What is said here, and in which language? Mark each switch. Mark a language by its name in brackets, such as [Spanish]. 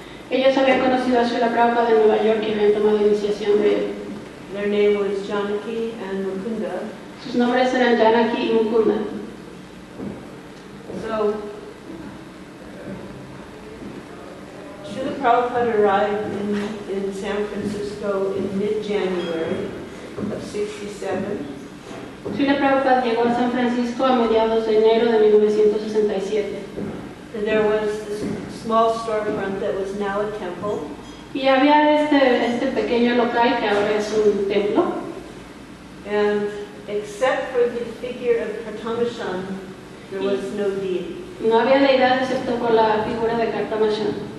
[Spanish] Ellos habían conocido a Srila Prabhupada en Nueva York y habían tomado iniciación de él. [English] their name was Janaki and Mukunda. [Spanish] Sus nombres eran Janaki y Mukunda. [English] So, Srila Prabhupada arrived in San Francisco in mid-January of 67. [Spanish] Srila Prabhupada llegó a San Francisco a mediados de enero de 1967. [English] And there was this small storefront that was now a temple. [Spanish] Y había este pequeño local que ahora es un templo. [English] And except for the figure of Kartamashan, there was no deity. [Spanish] No había deidad excepto por la figura de Kartamashan.